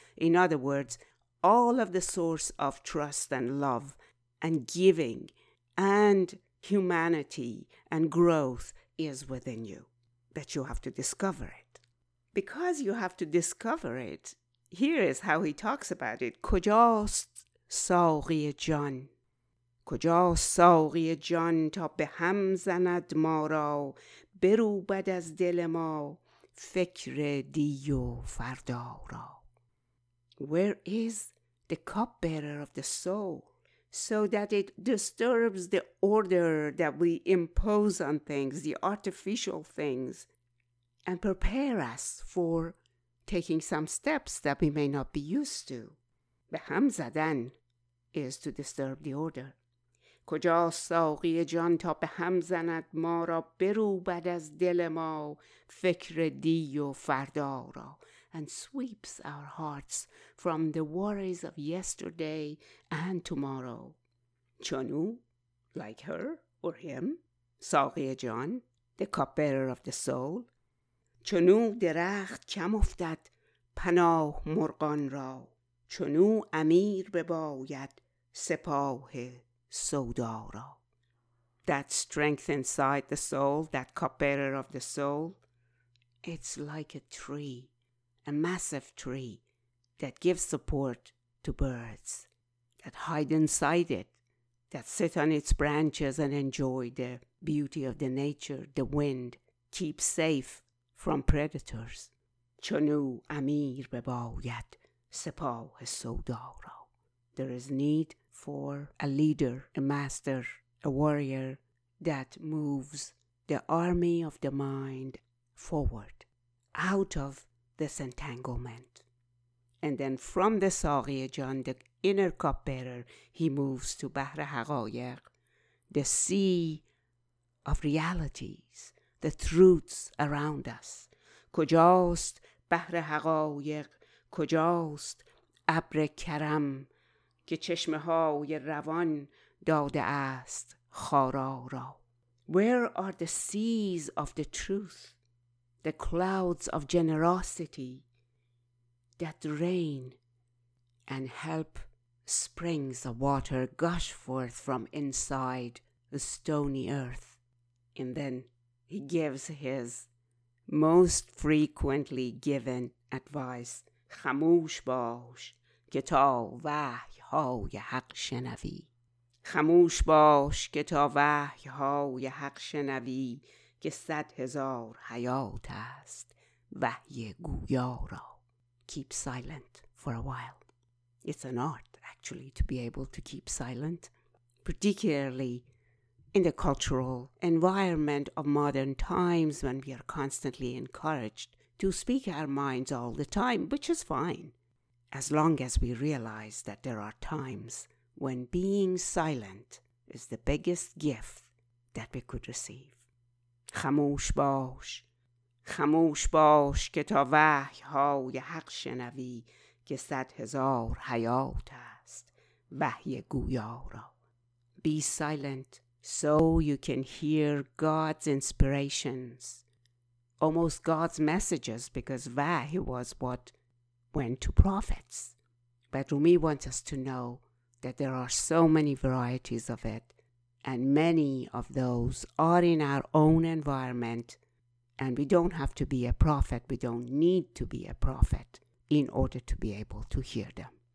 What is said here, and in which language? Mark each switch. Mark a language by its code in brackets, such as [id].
[en] In other words, all of the source of trust and love and giving and humanity and growth is within you, but you have to discover it. Because you have to discover it, here is how he talks about it. [fa] کجاست ساقی جان؟ کجاست ساقی جان تا به هم زند ما را بروبد از دل ما فکر دی و فردا را. [en] Where is the cupbearer of the soul so that it disturbs the order that we impose on things, the artificial things, and prepare us for taking some steps that we may not be used to? [fa] بهم زدن [en] is to disturb the order. [fa] کجا ساقی جان تا بهم زند ما را بروبد از دل ما فکر دی و فردا را. [en] And sweeps our hearts from the worries of yesterday and tomorrow. [fa] چنو, [en] like her or him, [fa] ساقی جان, [en] the cupbearer of the soul, [fa] چنو درخت کم افتد پناه مرغان را، چنو امیر بباید سپاه سودا را. [en] That strength inside the soul, that cupbearer of the soul, it's like a tree, a massive tree that gives support to birds that hide inside it, that sit on its branches and enjoy the beauty of the nature, the wind, keep safe from predators. [fa] چنو امیر بباید سپاه سودا را. [en] There is need for a leader, a master, a warrior that moves the army of the mind forward out of this entanglement. And then from the [fa] ساقی جان, [en] the inner cupbearer, he moves to [fa] بحر حقایق, [en] the sea of realities, the truths around us. [fa] کجاست بحر حقایق, کجاست ابر کرم که چشمه های روان داده است خارا را. [en] Where are the seas of the truth, the clouds of generosity that rain and help springs of water gush forth from inside the stony earth? And then he gives his most frequently given advice, [fa] خموش باش که تا وحی های حق شنوی. خموش باش که تا وحی های حق شنوی که صد هزار حیات است وحی گویا را. [en] Keep silent for a while. It's an art, actually, to be able to keep silent, particularly in the cultural environment of modern times when we are constantly encouraged to speak our minds all the time, which is fine, as long as we realize that there are times when being silent is the biggest gift that we could receive. [fa] خموش باش. خموش باش که تا وحی های حق شنوی که صد هزار حیات است وحی گویا را. [en] Be silent so you can hear God's inspirations, almost God's messages, because vahy was what went to prophets. But Rumi wants us to know that there are so many varieties of it, and many of those are in our own environment, and we don't have to be a prophet, we don't need to be a prophet in order to be able to hear them.